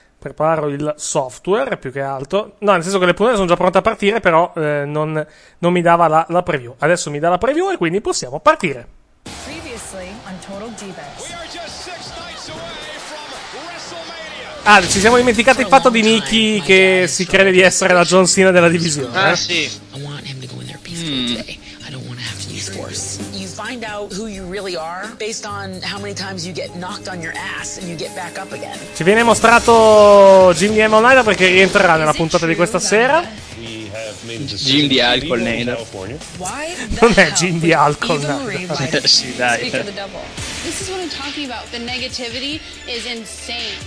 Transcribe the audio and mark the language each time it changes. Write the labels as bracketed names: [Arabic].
[Italian] preparo il software, più che altro. No, nel senso che le puntate sono già pronte a partire, però non mi dava la preview. Adesso mi dà la preview e quindi possiamo partire. Ci siamo dimenticati il fatto di Nikki che si crede di essere la John Cena della divisione. Ah, sì. [English] I want him to go in there peacefully today. I don't want to have to use force. You find out who you really are based on how many times you get knocked on your ass and you get back up again. [Italian] Ci viene mostrato Jimmy Hamel Nida perché rientrerà nella puntata di questa sera. Gin di alcol nena. Non è gin di alcol. Sì, dai. [English] This is what I'm talking about. The negativity is insane.